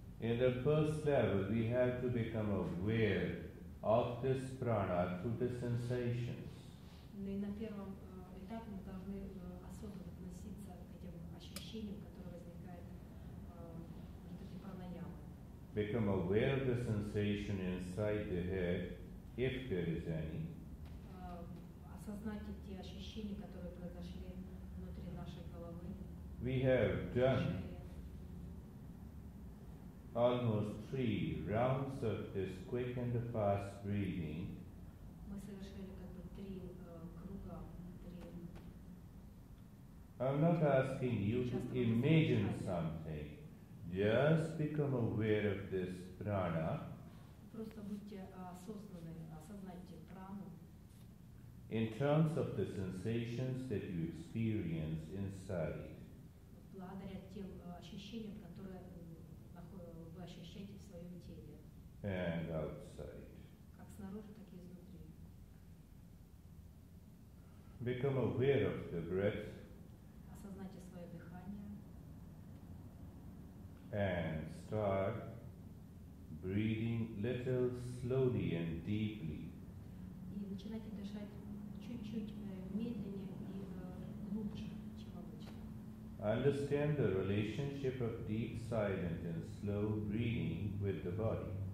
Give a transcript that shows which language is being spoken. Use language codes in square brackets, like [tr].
[en] In the first level, we have to become aware of this prana through the sensations. [ru] И на первом этапе мы должны осознанно относиться к этим ощущениям, которые возникают в этой пранаяме. [en] Become aware of the sensation inside the head, if there is any. [ru] Осознать эти ощущения, которые произошли внутри нашей головы. [en] We have done almost 3 rounds of this quick and the fast breathing. [ru] Мы совершили как бы 3 круга, 3. [en] I'm not asking you to imagine something. Just become aware of this prana. [ru] Просто будьте осознанны, осознайте прану. [en] In terms of the sensations that you experience inside. [ru] Благодаря тем ощущениям, которые вы ощущаете в своем теле. [en] And outside. [ru] Как снаружи, так и изнутри. [en] Become aware of the breath. [ru] Осознайте свое дыхание. [en] And start breathing little slowly and deeply. [ru] И начинайте дышать чуть-чуть медленнее и глубже, чем обычно. [en] Understand the relationship of deep, silent and slow breathing with the body.